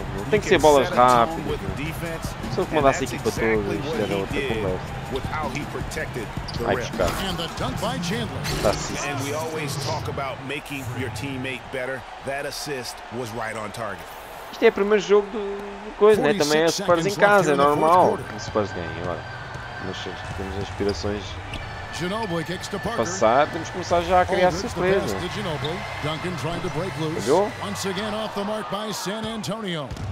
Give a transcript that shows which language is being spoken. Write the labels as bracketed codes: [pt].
[pt] Tem que ser bolas rápidas. Se ele comandasse a equipa toda, isto era outra conversa. [en] With how he protected the rim. And the dunk by Chandler. And we always talk about making your teammate better. That assist was right on target. [pt] Este é o primeiro jogo do coisa, né? Também é Spurs em casa, é normal. Spurs ganha, olha. Mas temos aspirações de passar, temos que começar já a criar surpresa. Entendeu? [en] Once again off the mark by San Antonio.